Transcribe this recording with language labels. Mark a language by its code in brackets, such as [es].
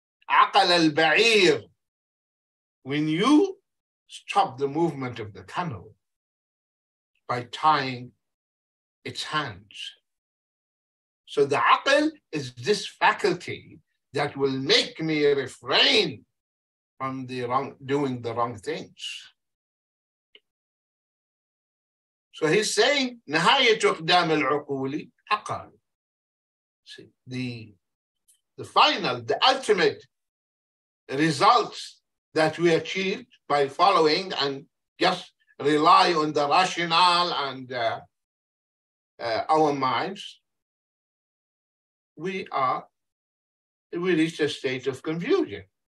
[en] Aql al-ba'ir, when you stop the movement of the camel by tying its hands. So the aql is this faculty that will make me refrain from doing the wrong things. So he's saying, [ar] نَهَايَةُ اقْدَامِ الْعُقُولِ عَقَلُ. [en] See, the final, the ultimate results that we achieved by following and just rely on the rationale and our minds, we reached a state of confusion.